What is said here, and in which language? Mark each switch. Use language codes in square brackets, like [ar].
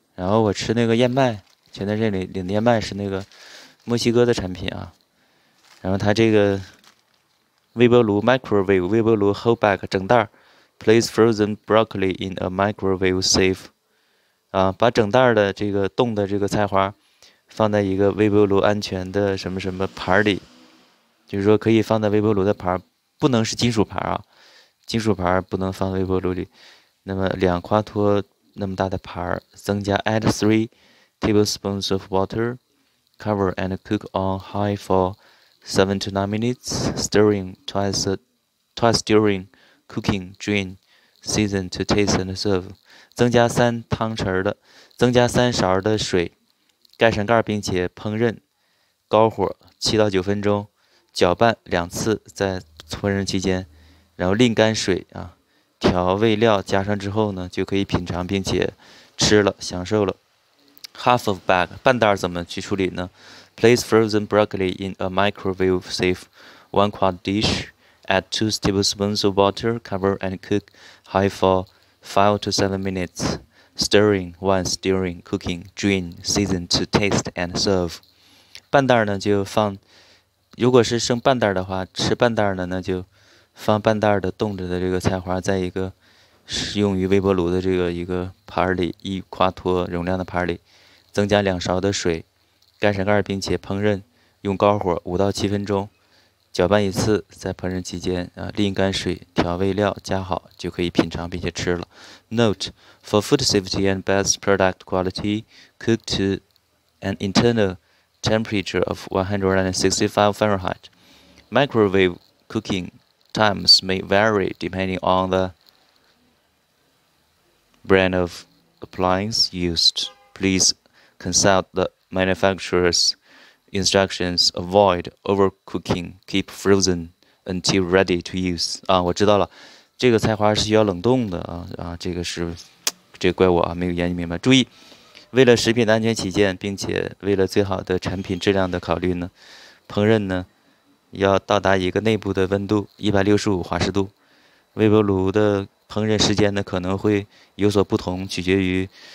[zh] 然后我吃那个燕麦。前段时间领的燕麦是那个墨西哥的产品啊，然后它这个微波炉 microwave 微波炉 [en] whole bag [zh] 整袋 [en] place frozen broccoli in a microwave safe [zh] 啊，把整袋的这个冻的这个菜花放在一个微波炉安全的什么什么盘里，就是说可以放在微波炉的盘，不能是金属盘啊，金属盘不能放微波炉里。那么两夸脱那么大的盘，增加 [en] add three。 Tablespoons of water, cover and cook on high for 7 to 9 minutes, stirring twice during cooking, drain, season to taste and serve. [zh] 增加三勺的水，盖上盖并且烹饪，高火7到9分钟，搅拌2次，在烹饪期间，然后沥干水啊，调味料加上之后呢，就可以品尝并且吃了，享受了。 [en] Half of bag [zh] 半袋怎么去处理呢？ [en] Place frozen broccoli in a microwave safe one quart dish. Add 2 tablespoons of water. Cover and cook high for 5 to 7 minutes. Stirring once during cooking. Drain. Season to taste and serve. [zh] 半袋呢就放，如果是剩半袋的话，吃半袋呢，那就放半袋的冻着的这个菜花，在一个用于微波炉的这个一个盘里，一夸脱容量的盘里。增加2勺的水，盖上盖并且烹饪，用高火5到7分钟，搅拌一次。在烹饪期间啊，沥干水，调味料加好，就可以品尝并且吃了。 [en] Note: For food safety and best product quality, cook to an internal temperature of 165 Fahrenheit. Microwave cooking times may vary depending on the brand of appliance used. Please consult the manufacturer's instructions. Avoid overcooking. Keep frozen until ready to use. [zh] 啊，我知道了，这个菜花是需要冷冻的啊，这个是，这个、怪我啊，没有研究明白。注意，为了食品的安全起见，并且为了最好的产品质量的考虑呢，烹饪呢要到达一个内部的温度165华氏度，微波炉的烹饪时间呢可能会有所不同，取决于。